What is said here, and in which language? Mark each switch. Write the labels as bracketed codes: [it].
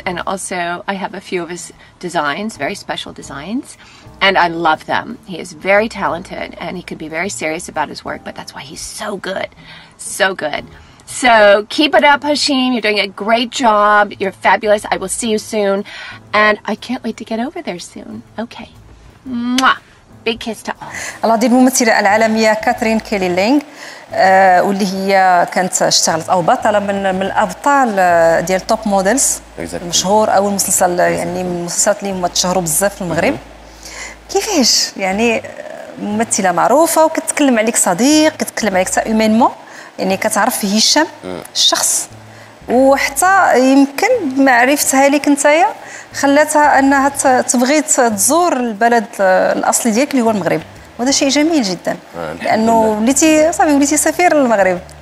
[en] And also I have a few of his designs, very special designs. And I love them. He is very talented and he could be very serious about his work, but that's why he's so good, so good. So keep it up, Hisham. You're doing a great job. You're fabulous. I will see you soon. And I can't wait to get over there soon. Okay, mwah. Big kiss to all. [ar] Allah, did ممثلة العالمية Catherine Kelly Lang. واللي هي كانت اشتغلت او بطله من الابطال ديال توب مودلز مشهور او المسلسل يعني من المسلسلات اللي تشهروا بزاف في المغرب كيفاش يعني ممثله معروفه وكتكلم عليك صديق كتكلم عليك هيومينمون يعني كتعرف هشام الشخص وحتى يمكن معرفتها ليك انتيا خلاتها انها تبغي تزور البلد الاصلي ديالك اللي هو المغرب وهذا شيء جميل جدا لانه وليتي صافي وليتي سفير للمغرب